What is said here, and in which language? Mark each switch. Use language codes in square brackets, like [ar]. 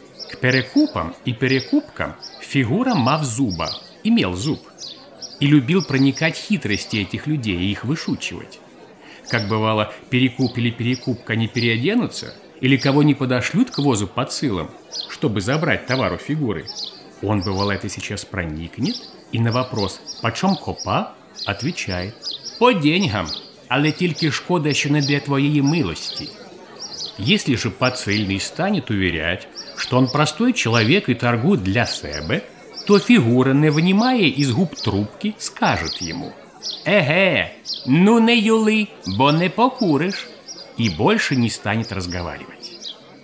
[ru] К перекупам и перекупкам Фигура [uk] мав зуба, [ru] имел зуб, и любил проникать хитрости этих людей и их вышучивать. Как бывало, перекуп или перекупка не переоденутся, или кого не подошлют к возу под силом, чтобы забрать товар у Фигуры, он, бывало, это сейчас проникнет и на вопрос «почем копа?» отвечает «по деньгам, [uk] але тільки шкода ще не для твоєї милості». [ru] Если же поцельный станет уверять, что он простой человек и торгует для себе, то Фигура, не вынимая из губ трубки, скажет ему «эге, ну не юли, бо не покуришь», и больше не станет разговаривать.